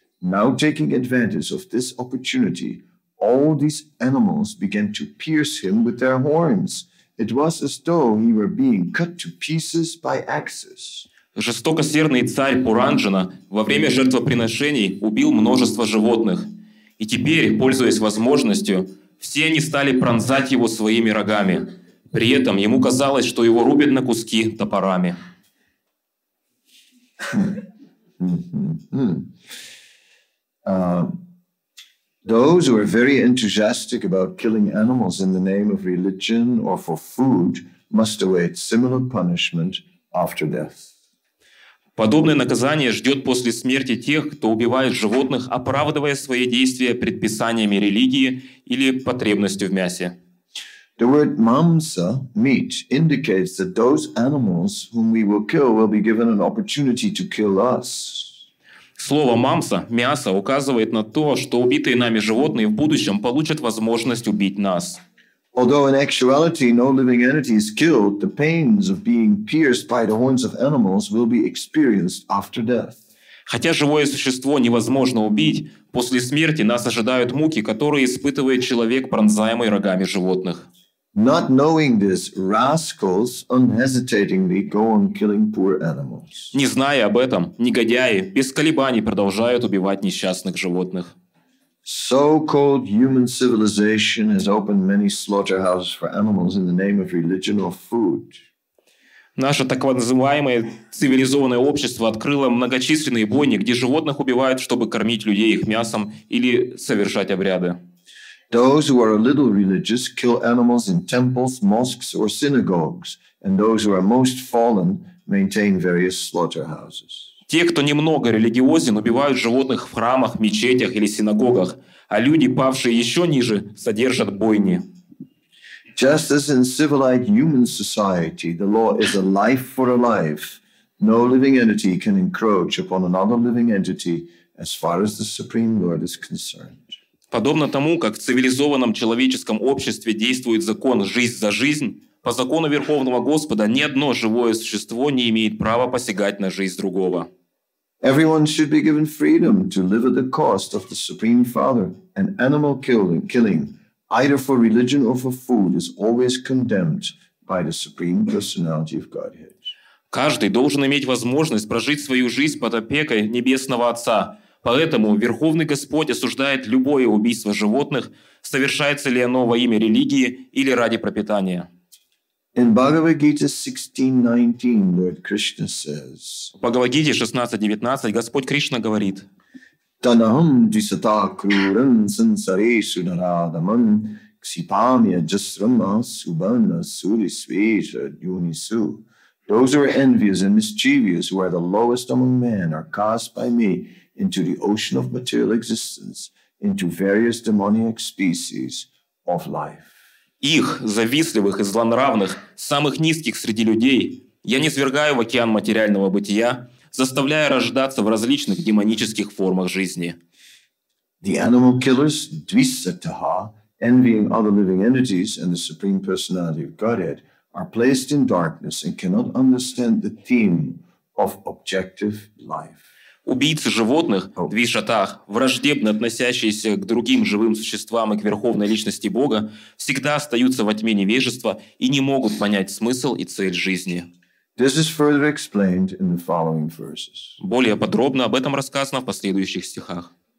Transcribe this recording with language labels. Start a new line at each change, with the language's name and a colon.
English: Now taking advantage of this opportunity, all these animals began to pierce him with their horns. It was as though he were being cut to pieces by axes.
Russian: Жестокосердный царь Пуранджана во время жертвоприношений убил множество животных. И теперь, пользуясь возможностью, все они стали пронзать его своими рогами. При этом ему казалось, что его рубят на куски топорами.
English: Those who are very enthusiastic about killing animals in the name of religion or for food must await similar punishment after death.
Russian: Подобное наказание ждет после смерти тех, кто убивает животных, оправдывая свои действия предписаниями религии или потребностью в мясе.
English: The word mamsa, meat, indicates that those animals whom we will kill will be given an opportunity to kill us.
Russian: Слово мамса, мясо, указывает на то, что убитые нами животные в будущем получат возможность убить нас.
English: Although in actuality no living entity is killed, the pains of being pierced by the horns of animals will be experienced after death.
Russian: Хотя живое существо невозможно убить, после смерти нас ожидают муки, которые испытывает человек, пронзаемый рогами животных.
English: Not knowing this, rascals unhesitatingly go on killing poor animals.
Russian: Не зная об этом, негодяи без колебаний продолжают убивать несчастных животных.
English: So-called human civilization has opened many slaughterhouses for animals in the name of religion or food.
Russian: Наше так называемое цивилизованное общество открыло многочисленные бойни, где животных убивают, чтобы кормить людей их мясом или совершать обряды.
English: Those who are a little religious kill animals in temples, mosques or synagogues, and those who are most fallen maintain various slaughterhouses.
Russian: Те, кто немного религиозен, убивают животных в храмах, мечетях или синагогах, а люди, павшие еще ниже, содержат бойни.
English: Just as in civilized human society, the law is a life for a life. No living entity can encroach upon another living entity as far as the Supreme Lord is concerned.
Russian: Подобно тому, как в цивилизованном человеческом обществе действует закон «жизнь за жизнь», по закону Верховного Господа ни одно живое существо не имеет права посягать на жизнь другого.
English: Everyone should be given freedom to live at the cost of the Supreme Father, and animal killing, either for religion or for food, is always condemned by the Supreme Personality of Godhead.
Russian: Каждый должен иметь возможность прожить свою жизнь под опекой Небесного Отца. Поэтому Верховный Господь осуждает любое убийство животных, совершается ли оно во имя религии или ради пропитания.
English: In Bhagavad-gita 16:19, Lord Krishna says,
Russian: в Бхагавад-гите 16:19 Господь Кришна говорит:
Sanskrit: Танахам дисата крурам сансаресу нарадамам ксипами аджасрам асубана сури свежа дюнису.
English: Those who are envious and mischievous, who are the lowest among men, are cast by me into the ocean of material existence, into various demoniac species of life.
Russian: Их, завистливых и злонравных, самых низких среди людей, я низвергаю в океан материального бытия, заставляя рождаться в различных демонических формах жизни.
English: The animal killers, Dvisataha, envying other living entities and the Supreme Personality of Godhead, are placed in darkness and cannot understand the theme of objective life.
Russian: Убийцы животных, Двишатах, враждебно относящиеся к другим живым существам и к Верховной Личности Бога, всегда остаются во тьме невежества и не могут понять смысл и цель жизни.
English: This is further explained in the following verses.
Russian: Более подробно об этом рассказано в последующих стихах.